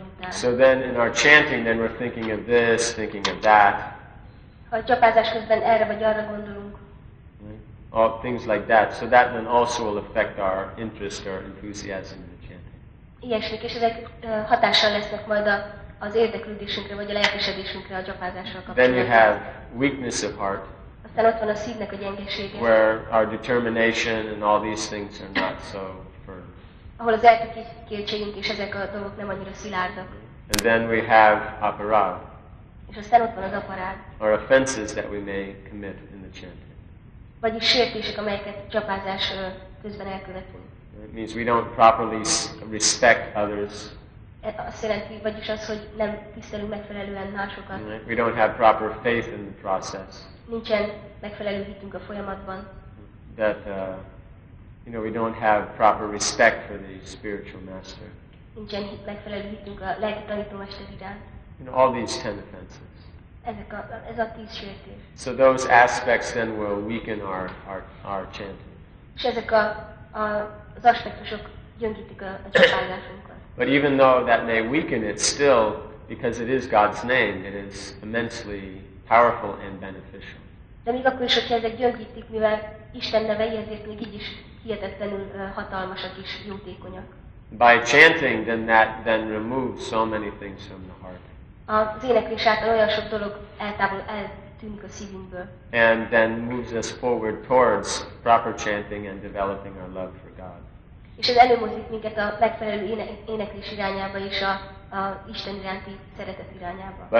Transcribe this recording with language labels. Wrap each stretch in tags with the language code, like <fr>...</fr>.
<en>So then in our chanting, then we're thinking of this, thinking of that.</en> <hu>Ha a csapázás közben erre vagy arra gondolunk.</hu> <en>Right? All things like that. So that then also will affect our interest or enthusiasm in the chanting.</en> <hu>Ilyesmik, és ezek hatással lesznek majd az érdeklődésünkre, vagy a lelkesedésünkre a csapázással kapcsolatban.</hu> <en>Then you have weakness of heart.</en> <hu>Aztán ott van a szívnek a gyengesége.</hu> <en>Where our determination and all these things are not so firm.</en> <hu>Ahol az elkötelezettségünk és ezek a dolgok nem annyira szilárdak.</hu> <en>And then we have aparád.</en> <hu>És aztán ott van az aparád.</hu> <en>Our offenses that we may commit in the chanting.</en> <hu>Vagyis sértések, amelyeket csapázás közben elkövetünk.</hu> <en>It means we don't properly respect others.</en> <hu>azt jelenti, vagyis az, hogy nem tisztelünk megfelelően másokat.</hu> <en>We don't have proper faith in the process.</en> <hu>Nincsen megfelelő hitünk a folyamatban.</hu> <en>That you know, we don't have proper respect for the spiritual master.</en> <hu>Nincsen megfelelő hitünk a lelki tanító mester iránt.</hu> <en>You know, all these 10 offenses.</en> <hu>Ez a 10 sértés.</hu> <en>So those aspects then will weaken our chanting.</en> <hu>És ezek az aspektusok gyöngítik a csapágásunkat.</hu> <en>But even though that may weaken it, still, because it is God's name, it is immensely powerful and beneficial.</en> <hu>De még akkor is, hogy ezek gyöngítik, mivel Isten neve, ezért még így is hihetetlenül hatalmasak és jótékonyak.</hu> <en>By chanting, then that then removes so many things from the heart.</en> <hu>Az éneklés által olyan sok dolog eltávol, eltűnik a szívünkből.</hu> <en>And then moves us forward towards proper chanting and developing our love for God.</en> <hu>És ez előmozdít minket a megfelelő éneklés irányába és a Isten iránti szeretet irányába.</hu>